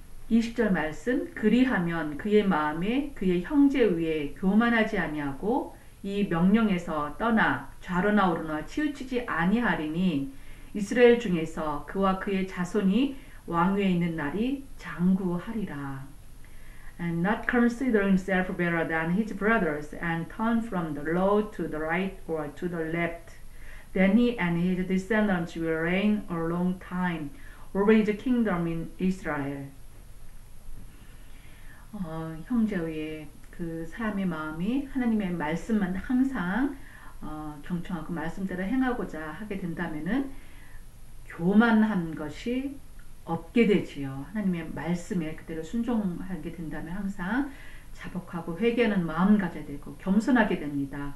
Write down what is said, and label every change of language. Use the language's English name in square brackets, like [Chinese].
[Korean] 20절 말씀 그리하면 그의 마음에 그의 형제 위에 교만하지 아니하고 이 명령에서 떠나 좌로나 오르나 치우치지 아니하리니 이스라엘 중에서 그와 그의 자손이 왕위에 있는 날이 장구하리라. [English] And not considering himself better than his brothers and turn from the law to the right or to the left. Then he and his descendants will reign a long time over his kingdom in Israel. [Korean] 형제 위에 그 사람의 마음이 하나님의 말씀만 항상 경청하고 말씀대로 행하고자 하게 된다면은 교만한 것이 없게 되지요. 하나님의 말씀에 그대로 순종하게 된다면 항상 자복하고 회개하는 마음 가져야 되고 겸손하게 됩니다.